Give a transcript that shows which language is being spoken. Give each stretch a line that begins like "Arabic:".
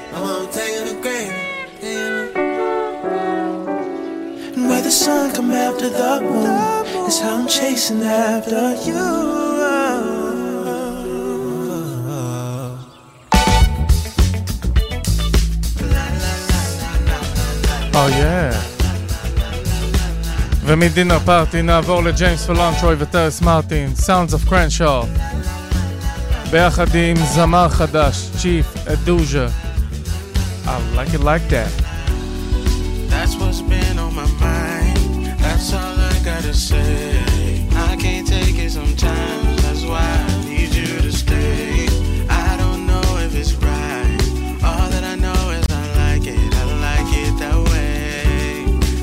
English: I won't take it for granted. And where the sun come after the moon is how I'm chasing after you. Oh yeah.
Hebrew: ומדינר פארטי נעבור לג'יימס פלנטרוי וטרס מרטין, סאונדס אוף קרנשאו, ביחד עם זמר חדש, צ'יף אדוז'ה.
English: I like it like that. That's what's been on my mind, that's all I gotta say. I can't take it sometimes, that's why I need you to stay. I don't know if it's right, all that I know is I like it that way.